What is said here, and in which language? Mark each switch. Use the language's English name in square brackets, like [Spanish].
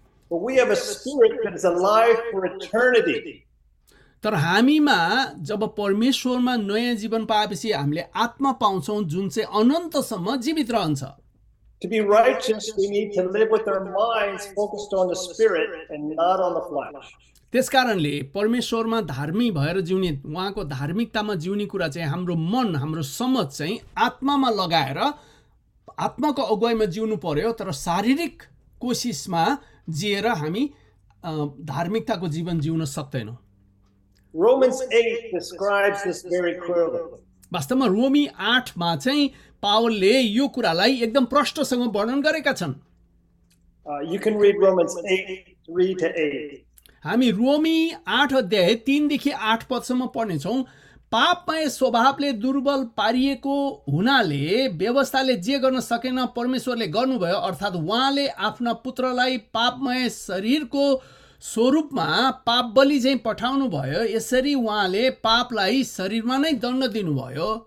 [English] But we have a spirit that is alive for eternity. [Nepali] तर हामीमा जब परमेश्वरमा नयाँ जीवन पाएपछि हामीले आत्मा पाउँछौँ जुन चाहिँ अनन्तसम्म जीवित रहन्छ। [English] To be righteous, we need to live with our minds focused on the spirit and not on the flesh. [Nepali] त्यसकारणले परमेश्वरमा धार्मिक भएर जिउने, उहाँको धार्मिकतामा जिउने कुरा चाहिँ हाम्रो मन, हाम्रो समझ चाहिँ आत्मामा लगाएर आत्माको अगुवाईमा जिउनु पर्यो, तर शारीरिक कोसिसमा जिएर हामी धार्मिकताको जीवन जिउन सक्दैनौँ। [English] Romans 8 describes this very clearly. [Nepali] वास्तवमा रोमी 8 मा चाहिँ पावलले यो कुरालाई एकदम प्रष्टसँग वर्णन गरेका छन्। [English] You can read Romans 8:3-8. [Nepali] हामी रोमी 8:3-8 पदसम्म पढ्नेछौँ। पापमय स्वभावले दुर्बल पारिएको हुनाले व्यवस्थाले जे गर्न सकेन परमेश्वरले गर्नुभयो, अर्थात् उहाँले आफ्ना पुत्रलाई पापमय शरीरको स्वरूपमा पाप बलि चाहिँ पठाउनु भयो, यसरी उहाँले पापलाई शरीरमा नै दण्ड दिनुभयो।